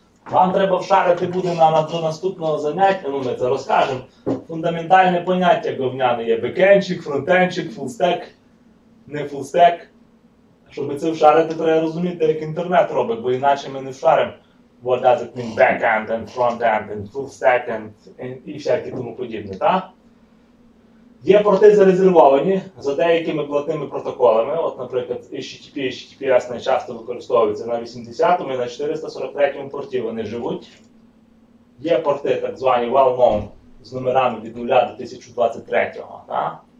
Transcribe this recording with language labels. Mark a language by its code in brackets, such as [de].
[uk] Вам треба вшарити буде на до наступного заняття, ну ми це розкажемо. Фундаментальне поняття говняне є бекенчик, фронтенчик, фулстек, не фулстек. Щоб це вшарити, треба розуміти, як інтернет робить, бо іначе ми не вшаримо. [en] What does it mean? Backend and frontend and fullstack and [uk] і всякі тому подібне, так? Є порти зарезервовані за деякими платними протоколами. От, наприклад, HTTP, HTTPS найчасто використовується на 80-му і на 443-му порті вони живуть. Є порти так звані well-known з номерами від 0 до 1023-го, так?